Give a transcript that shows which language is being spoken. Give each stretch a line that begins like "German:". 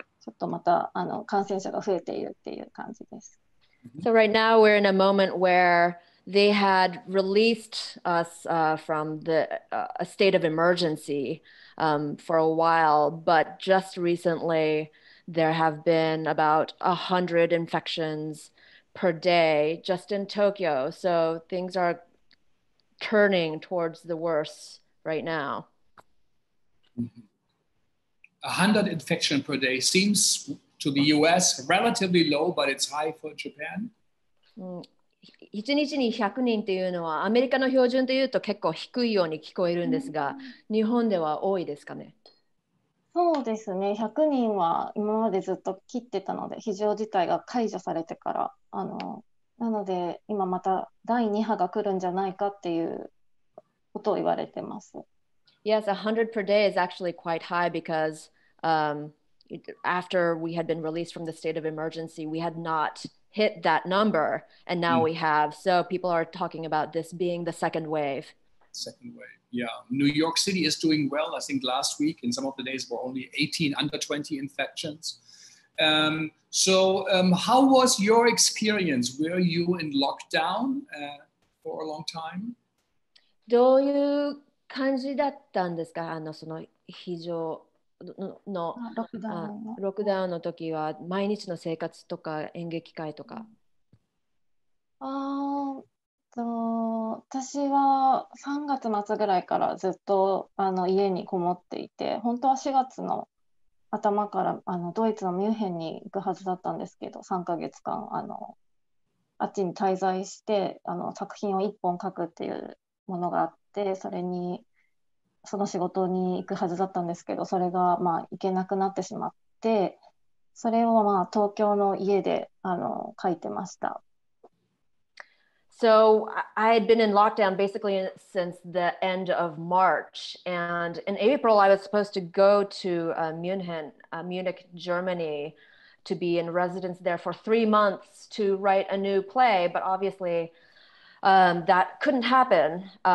Japanese: ちょっとまた感染者が増えているっていう感じです。
English: So right now we're in a moment where they had released us from the a state of emergency for a while, but just recently there have been about 100 infections per day just in Tokyo. So things are turning towards the worse right now. Mm-hmm. 100 infection per day seems to the US relatively low, but it's high for Japan.
Japanese: 1日に100人というのはアメリカの標準で言うと結構低いように聞こえるんですが、日本では多いですかね。そうですね。 100人は今までずっと切ってたので、非常事態が解除されてから、なので今また第2波が来るんじゃないかっていうことを言われてます。
English: Yes, 100 per day is actually quite high because after we had been released from the state of emergency, we had not hit that number, and now we have. So people are talking about this being the second wave. Second wave, yeah. New York City is doing well. I think last week in some of the days were only 18 under 20 infections. So how was your experience? Were you in lockdown for a long time? Do you...
Japanese: 感じだったんですか、その非常のロックダウンの時は毎日の生活とか演劇会とか。私は3月末ぐらいからずっと家にこもっていて、本当は4月の頭からドイツのミュンヘンに行くはずだったんですけど、3ヶ月間あっちに滞在して作品を1本書くっていうものがあって、でそれにその仕事に行くはずだったんですけど、それがまあ行けなくなってしまって、それをまあ東京の家で書いてました。
English: So I had been in lockdown basically since the end of March, and in April I was supposed to go to Munich, Germany to be in residence there for 3 months to write a new play, but obviouslyThat couldn't happen.